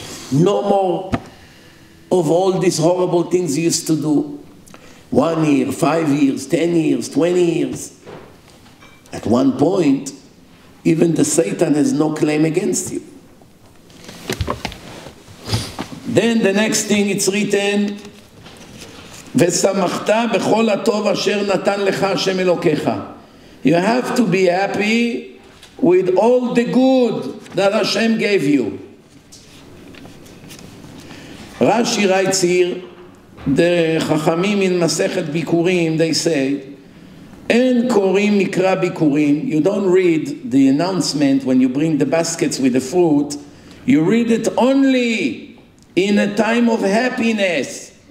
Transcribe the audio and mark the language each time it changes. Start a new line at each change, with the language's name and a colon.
English: No more of all these horrible things you used to do. 1 year, 5 years, 10 years, 20 years. At one point, even the Satan has no claim against you. Then the next thing it's written,
Hebrew: וסמכת בכל הטוב אשר נתן לך השם אלוקיך.
English: You have to be happy with all the good that Hashem gave you. Rashi writes here, the Chachamim in Masechet Bikurim, they say,
Hebrew: אין קוראים מקרא ביקורים,
English: you don't read the announcement when you bring the baskets with the fruit, you read it only in a time of happiness.